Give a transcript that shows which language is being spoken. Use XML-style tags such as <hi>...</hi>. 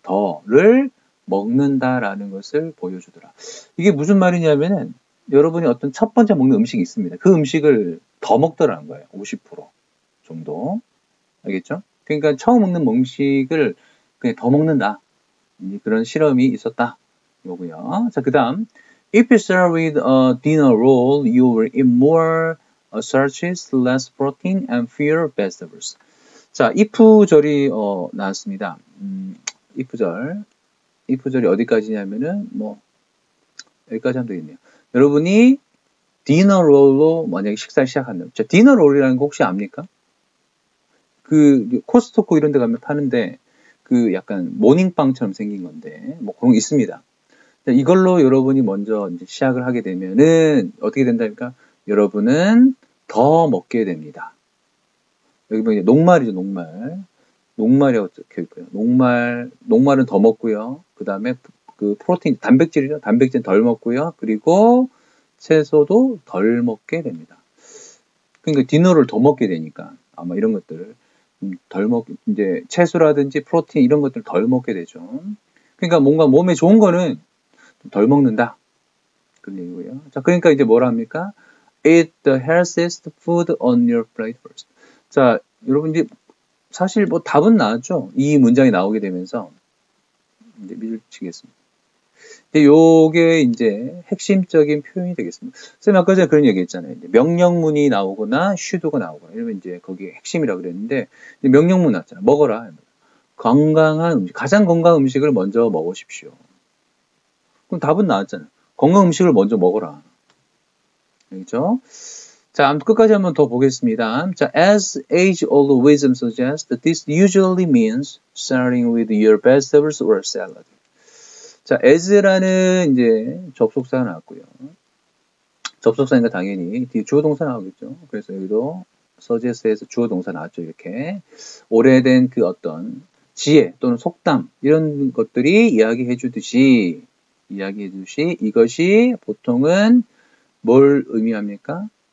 <ko>더를 먹는다라는 것을 보여주더라. 이게 무슨 말이냐면은 여러분이 어떤 첫 번째 먹는 음식이 있습니다. 그 음식을 더 먹더라는 거예요. 50% 정도. 알겠죠? 그러니까 처음 먹는 음식을 그냥 더 먹는다. 그런 실험이 있었다. 이거고요. 자, 그다음.</ko> <en>If you serve with a dinner roll, you will eat more starches, less protein, and fewer vegetables.</en> <ko>자, if절이 나왔습니다. if절. if절이 어디까지냐면은 뭐 여기까지 하면 되겠네요. 여러분이 디너 롤로 만약에 식사를 시작한다면, 자, 디너 롤이라는 거 혹시 압니까? 그 코스트코 이런 데 가면 파는데 그 약간 모닝빵처럼 생긴 건데 뭐 그런 게 있습니다. 자, 이걸로 여러분이 먼저 이제 시작을 하게 되면은 어떻게 된다니까? 여러분은 더 먹게 됩니다. 여기 보면 녹말이죠, 녹말. 녹말이라고 적혀 있고요. 녹말은 더 먹고요. 그 다음에 그 프로틴, 단백질이죠. 단백질은 덜 먹고요. 그리고 채소도 덜 먹게 됩니다. 그러니까 디너를 더 먹게 되니까 아마 이런 것들을 덜 먹, 이제 채소라든지 프로틴 이런 것들을 덜 먹게 되죠. 그러니까 뭔가 몸에 좋은 거는 덜 먹는다. 그런 얘기고요. 자, 그러니까 이제 뭐라 합니까?</ko> <en>Eat the healthiest food on your plate first.</en> <ko>자, 여러분 이제 사실 뭐 답은 나왔죠. 이 문장이 나오게 되면서 이제 밀치겠습니다. 이제 요게 이제 핵심적인 표현이 되겠습니다. 쌤 아까 제가 그런 얘기했잖아요. 이제 명령문이 나오거나 슈도가 나오거나 이러면 이제 거기에 핵심이라고 그랬는데 이제 명령문 나왔잖아요. 먹어라. 건강한 음식, 가장 건강한 음식을 먼저 먹으십시오. 그럼 답은 나왔잖아요. 건강한 음식을 먼저 먹어라. 알겠죠? 자, 끝까지 한번 더 보겠습니다.</ko> <en>자, as age-old wisdom suggests, this usually means starting with your vegetables or salad.</en> <ko>자, as라는 이제 접속사가 나왔고요. 접속사니까 당연히 뒤에 주어 동사 나오겠죠. 그래서 여기도 suggest에서 주어 동사 나왔죠. 이렇게 오래된 그 어떤 지혜 또는 속담 이런 것들이 이야기해 주듯이 이것이 보통은 뭘 의미합니까?</ko>